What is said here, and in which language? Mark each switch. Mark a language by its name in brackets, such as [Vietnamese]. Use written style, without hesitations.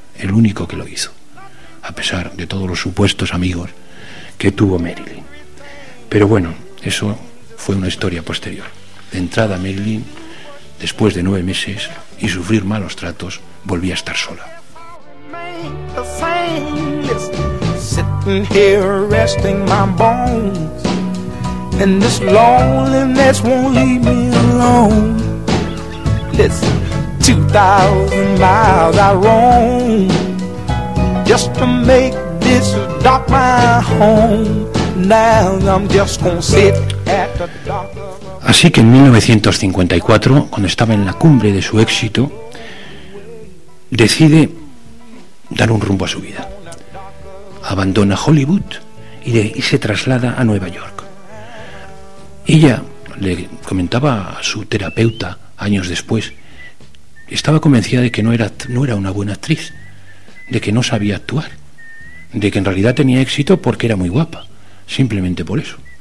[Spanish] El único que lo hizo, a pesar de todos los supuestos amigos que tuvo Marilyn. Pero bueno, eso fue una historia posterior. De entrada, Marilyn, después de 9 meses y sufrir malos tratos, volví a estar sola. [English] Sitting here resting my bones, and this loneliness won't leave me alone. This 2,000 miles I roam just to make this dock my home. Now I'm just gonna sit at the dock. [Spanish] Así que en 1954, cuando estaba en la cumbre de su éxito, decide dar un rumbo a su vida. Abandona Hollywood y se traslada a Nueva York. Ella le comentaba a su terapeuta años después, estaba convencida de que no era una buena actriz, de que no sabía actuar, de que en realidad tenía éxito porque era muy guapa, simplemente por eso.